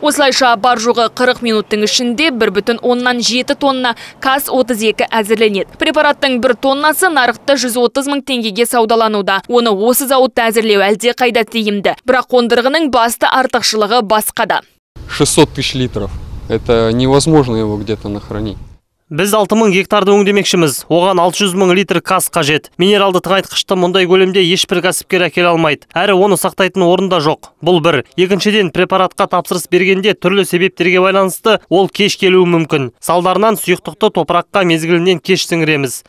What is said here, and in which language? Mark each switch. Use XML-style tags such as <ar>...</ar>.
<kk>Осылайша бар жоғы 40 минуттың ішінде 1,7 тонна КАЗ-32 әзірленеді. Препараттың 1 тоннасы нарықта 130 мың теңгеге саудалануда. Оны осы зауытта әзірлеу әлде қайда тиімді. Бірақ қондырғының басты артықшылығы басқада.</kk> <ru>600 тысяч литров. Это невозможно его где-то нахранить.</ru> <kk>Біз 6000 гектарды өңдемекшіміз. Оған 600 000 литр КАЗ қажет. Минералды тыңайтқышты мұндай көлемде ешбір кәсіпкер әкеле алмайды. Әрі оны сақтайтын орында жоқ. Бұл бір. Екіншіден, препаратқа тапсырыс бергенде түрлі себептерге байланысты ол кеш келуі мүмкін. Салдарынан сұйықтықты топыраққа мезгілінен кеш сіңіреміз.</kk>